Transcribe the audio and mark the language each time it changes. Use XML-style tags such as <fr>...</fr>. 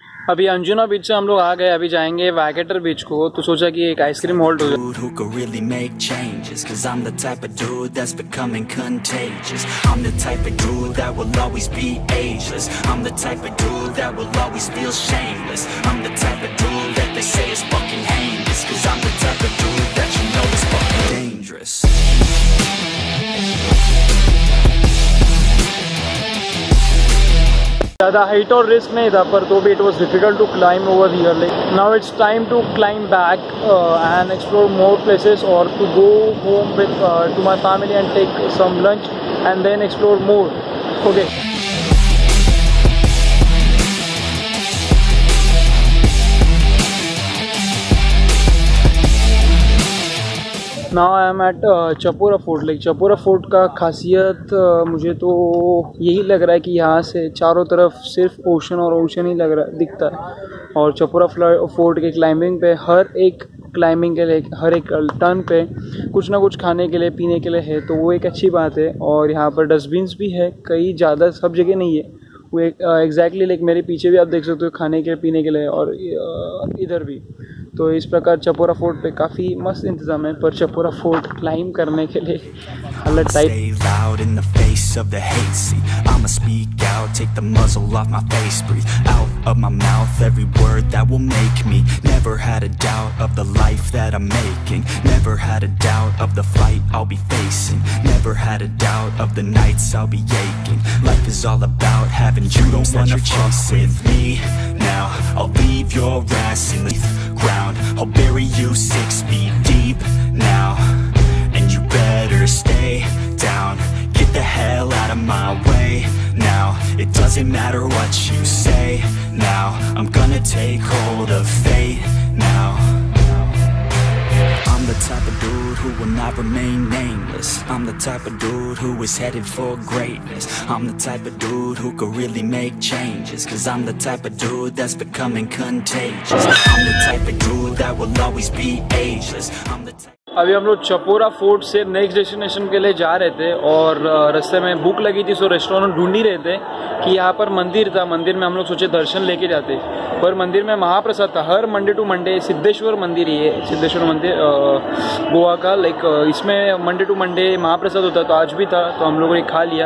<hi>अभी अंजुना बीच से हम लोग आ गए, अभी जाएंगे वैगेटर बीच को, तो सोचा कि एक आइसक्रीम होल्ड हो जाए।</hi> <en>Who could really make changes, 'cause I'm the type of dude that's becoming contagious. I'm the type of dude that will always be ageless. I'm the type of dude that will always feel shameless. I'm the type of dude that they say is fucking heinous, 'cause I'm the type of dude that you know is fucking dangerous.</en> <hi>ज़्यादा height और risk नहीं था, पर तो भी</hi> <en>It was difficult to climb over here. Like now it's time to climb back and explore more places और to go home with to my family and take some lunch and then explore more. Okay, now I am at Chapora Fort.</en> <hi>Like Chapora fort का खासियत मुझे तो यही लग रहा है कि यहाँ से चारों तरफ सिर्फ ओशन और ओशन ही लग रहा दिखता है। और चपोरा फोर्ट के क्लाइंबिंग पे हर एक क्लाइंबिंग के लिए हर एक टर्न पे कुछ ना कुछ खाने के लिए पीने के लिए है, तो वो एक अच्छी बात है। और यहाँ पर डस्टबिन्स भी है कई, ज़्यादा सब जगह नहीं है वो एग्जैक्टली, लाइक मेरे पीछे भी आप देख सकते हो खाने के पीने के लिए और इधर भी। तो इस प्रकार चपोरा फोर्ट पे काफ़ी मस्त इंतज़ाम है, पर चपोरा फोर्ट क्लाइंब करने के लिए अलग type.</hi> <en>Of the hate, see, I'ma speak out, take the muzzle off my face, breathe out of my mouth every word that will make me. Never had a doubt of the life that I'm making, never had a doubt of the fight I'll be facing, never had a doubt of the nights I'll be aching. Life is all about having dreams. You don't wanna fuck with me now, I'll leave your ass in the ground, I'll bury you 6 feet deep now, and you better stay down. The hell out of my way now, it doesn't matter what you say now, I'm gonna take hold of fate now. I'm the type of dude who will not remain nameless, I'm the type of dude who is headed for greatness, I'm the type of dude who could really make changes, cause I'm the type of dude that's becoming contagious, I'm the type of dude that will always be ageless, I'm the type.</en> <hi>अभी हम लोग Chapora fort से next destination के लिए जा रहे थे और रास्ते में भूख लगी थी, सो रेस्टोरेंट ढूंढ ही रहे थे कि यहाँ पर मंदिर था, मंदिर में हम लोग सोचे दर्शन लेके जाते, पर मंदिर में महाप्रसाद था। हर मंडे टू मंडे सिद्धेश्वर मंदिर ही है, सिद्धेश्वर मंदिर गोवा का, लाइक इसमें मंडे टू मंडे महाप्रसाद होता, तो आज भी था, तो हम लोगों ने खा लिया।</hi>